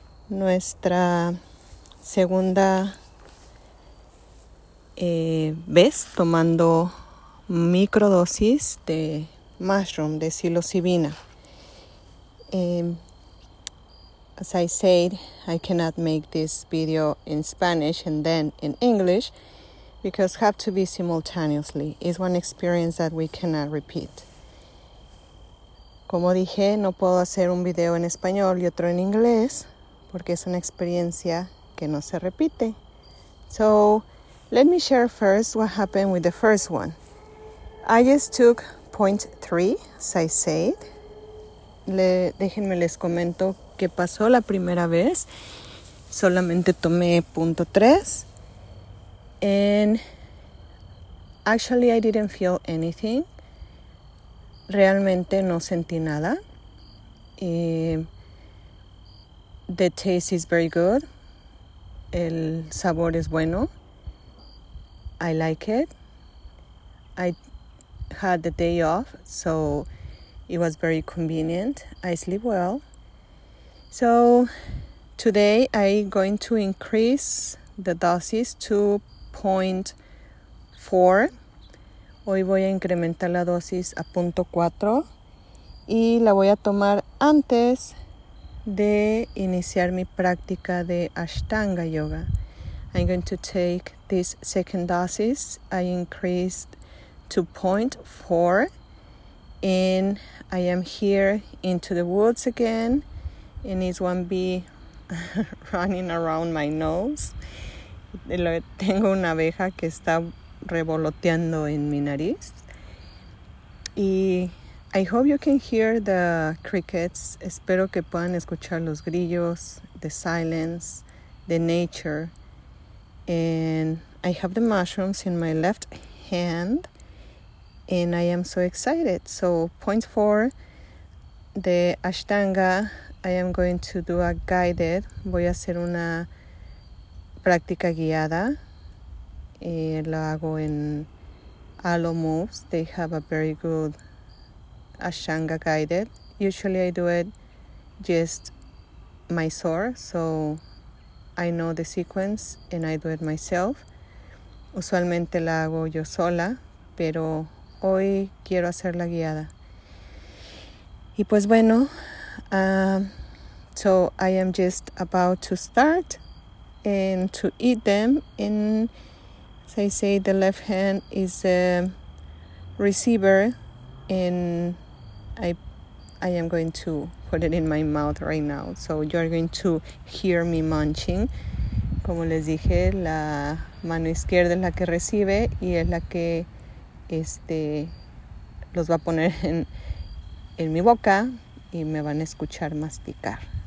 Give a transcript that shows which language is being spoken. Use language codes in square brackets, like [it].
[es] Nuestra segunda vez tomando microdosis de mushroom, de psilocibina. [en] As I said, I cannot make this video in Spanish and then in English because have to be simultaneously. It's one experience that we cannot repeat. [es] Como dije, no puedo hacer un video en español y otro en inglés porque es una experiencia que no se repite. [en] So, let me share first what happened with the first one. I just took 0.3, as I said. [es] Déjenme les comento qué pasó la primera vez. Solamente tomé 0.3. [en] And actually, I didn't feel anything. [es] Realmente no sentí nada. [en] The taste is very good. [es] El sabor es bueno. [en] I like it. I had the day off, so it was very convenient. I sleep well. So today I'm going to increase the doses to 0.4. [es] Hoy voy a incrementar la dosis a 0.4 y la voy a tomar antes de iniciar mi práctica de Ashtanga yoga. [en] I'm going to take this second dosis. I increased to 0.4 and I am here into the woods again, and it's one bee running around my nose. [es] Tengo una abeja que está revoloteando en mi nariz. [en] Y I hope you can hear the crickets. [es] Espero que puedan escuchar los grillos, [en] the silence, the nature. And I have the mushrooms in my left hand and I am so excited. So 0.4, the Ashtanga, I am going to do a guided. [es] Voy a hacer una práctica guiada. Y lo hago en Alo Moves. [en] They have a very good Ashtanga guided. Usually I do it just Mysore, so I know the sequence and I do it myself. [es] Usualmente la hago yo sola, pero hoy quiero hacer la guiada. Y pues bueno, [en] so I am just about to start and to eat them. And as I say, the left hand is the receiver and I am going to put it in my mouth right now. So you're going to hear me munching. [es] Como les dije, la mano izquierda es la que recibe y es la que los va a poner en mi boca y me van a escuchar masticar.